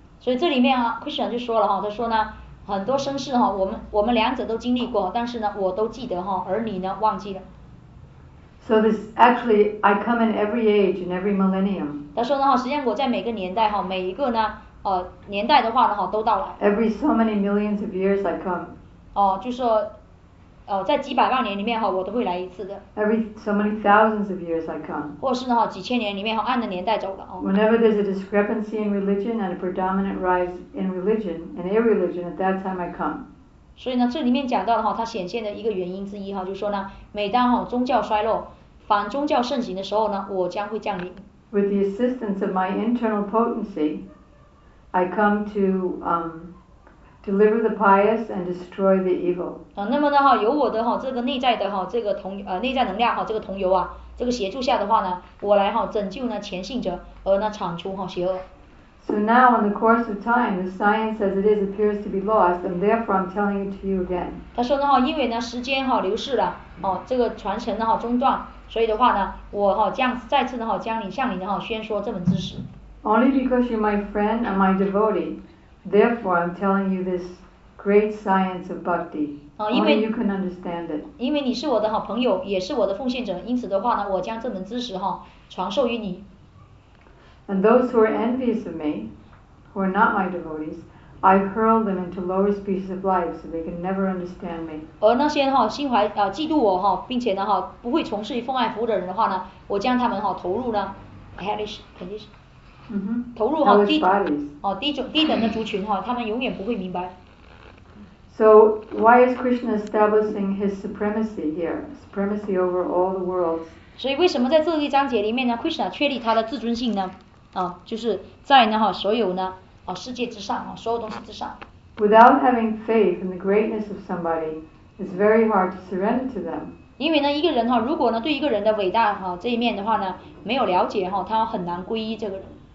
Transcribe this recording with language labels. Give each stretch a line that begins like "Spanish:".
Chinese: 所以这里面啊 ，Krishna 就说了哈，他说呢，很多生世哈，我们两者都经历过，但是呢，我都记得哈，而你呢，忘记了。
English: So this actually, I come in every age and every millennium.
Chinese: 他说呢哈，实际上我在每个年代哈，每一个呢，年代的话呢哈，都到来。
English: Every so many millions of years I come.
Chinese: 就是说，在几百万年里面哈，我都会来一次的。
English: Every so many thousands of years I come.
Chinese: 或是呢哈，几千年里面哈，按着年代走的哦。
English: Whenever there's a discrepancy in religion and a predominant rise in religion and irreligion, at that time I come.
Chinese: 所以呢，这里面讲到的哈，它显现的一个原因之一哈，就是说呢，每当哈宗教衰落、反宗教盛行的时候呢，我将会降临。
English: With the assistance of my internal potency, I come to Deliver the pious and destroy the evil.
Chinese: 那么的话，由我的哈这个内在的哈这个同内在能量哈这个同油啊，这个协助下的话呢，我来哈拯救呢虔信者，而呢铲除哈邪恶。
English: So now, in the course of time, the science as it is appears to be lost, and therefore I'm telling it to you again.
Chinese: 他说呢哈，因为呢时间哈流逝了，哦这个传承呢哈中断，所以的话呢，我哈将再次呢哈将你向你的哈宣说这门知识。
English: Only because you're my friend and my devotee. Therefore, I'm telling you this great science of bhakti. Only you can understand it.
Chinese: 因为你是我的好朋友，也是我的奉献者，因此的话呢，我将这门知识哈传授于你。
English: And those who are envious of me, who are not my devotees, I hurl them into lower species of life, so they can never understand me.
Chinese: 而那些哈心怀嫉妒我哈，并且呢哈不会从事于奉爱服务的人的话呢，我将他们哈投入呢
English: hellish condition。
Chinese: 投入哈低哦低种低等的族群哈，他们永远不会明白。
English: So why is Krishna establishing his supremacy here, supremacy over all the worlds?
Chinese: 所以为什么在这一章节里面呢 ，Krishna 确立他的自尊性呢？就是在呢哈所有呢世界之上啊，所有东西之上。 Without having faith in the greatness of somebody, it's very hard to surrender to them. 因为呢一个人哈，如果呢对一个人的伟大哈这一面的话呢没有了解哈，他很难皈依这个人。